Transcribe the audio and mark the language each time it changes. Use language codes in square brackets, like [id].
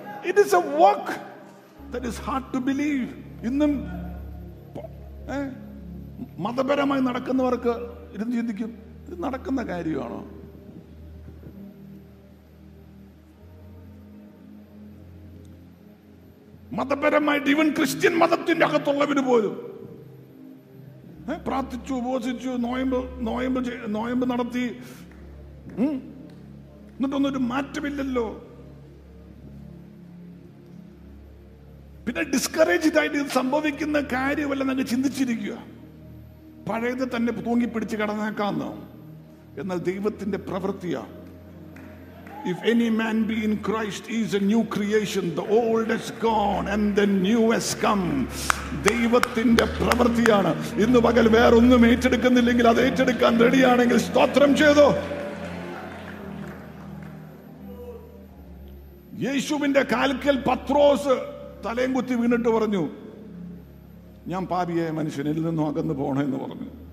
[en] It is a work that is hard to believe. [ml] ഇന്നും മതപരമായി നടക്കുന്നവർക്ക് ഇരുന്ന് ചിന്തിക്കും, ഇത് നടക്കുന്ന കാര്യമാണോ? മതപരമായിട്ട് ഇവൻ ക്രിസ്ത്യൻ മതത്തിന്റെ അകത്തുള്ളവര് പോലും പ്രാർത്ഥിച്ചു, ഉപവസിച്ചു, നോയമ്പ് നടത്തി, എന്നിട്ടൊന്നൊരു മാറ്റമില്ലല്ലോ. പിന്നെ ഡിസ്കറേജ്ഡായിട്ട് ഇത് സംഭവിക്കുന്ന കാര്യമല്ല നിങ്ങൾ ചിന്തിച്ചിരിക്കുക. പഴയത് തന്നെ തൂങ്ങി പിടിച്ച് കടന്നേക്കാന്ന്. എന്നാൽ ദൈവത്തിന്റെ പ്രവൃത്തിയാ. [en] If any man be in Christ, he is a new creation. The old has gone and the new has come. [ml] ദൈവത്തിന്റെ പ്രവൃത്തിയാണ്. ഇന്ന് പകൽ വേറൊന്നും ഏറ്റെടുക്കുന്നില്ലെങ്കിൽ അത് ഏറ്റെടുക്കാൻ റെഡിയാണെങ്കിൽ സ്തോത്രം ചെയ്തോ. യേശുവിന്റെ കാൽക്കൽ പത്രോസ് തലയും കുത്തി വീണിട്ട് പറഞ്ഞു, ഞാൻ പാപിയായ മനുഷ്യനിൽ നിന്നും അകന്നു പോണെന്ന് പറഞ്ഞു.